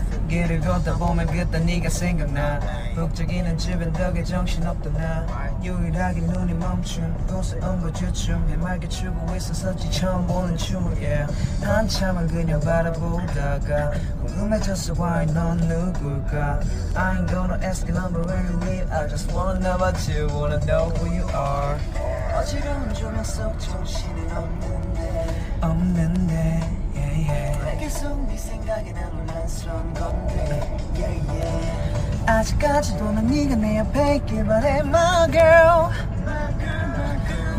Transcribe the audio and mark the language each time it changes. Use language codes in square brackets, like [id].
[ko] 길을 걷다 보면 그때 네가 생각나. 북적이는 집엔 덕에 정신없던 나. 유일하게 눈이 멈춘 곳에 응고주춤 해맑게 추고 있었었지 처음 보는 춤을. Yeah. 한참을 그녀 바라보다가 궁금해졌어. [en] Why [ko] 넌 누굴까. [en] I ain't gonna ask you number where you live. I just wanna know about you. Wanna know who you are. [ko] 어지러운 조명 속 정신은 없는데 없는데. Yeah, yeah. 계속 네 생각에 난 혼란스러운 건데. [en] Yeah, yeah. [ko] 아직까지도 난 네가 내 옆에 있길 바래. [en] My girl, my girl, my girl.